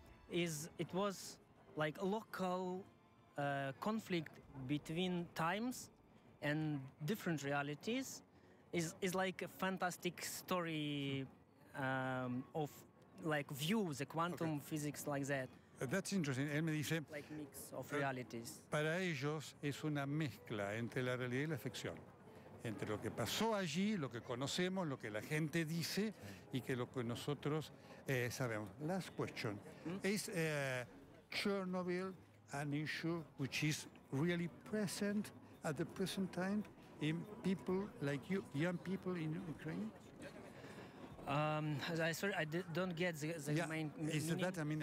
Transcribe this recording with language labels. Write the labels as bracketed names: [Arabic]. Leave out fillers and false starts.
[English] Is it was like a local conflict between times and different realities. Is like a fantastic story of like view the quantum physics like that. That's interesting. [Spanish] Él me dice, [English] like mix of realities. [Spanish] Para ellos es una mezcla entre la realidad y la ficción. Entre lo que pasó allí, lo que conocemos, lo que la gente dice, y que lo que nosotros sabemos. [English] Last question. Is Chernobyl an issue which is really present at the present time in people like you, young people in Ukraine? I don't get the main meaning.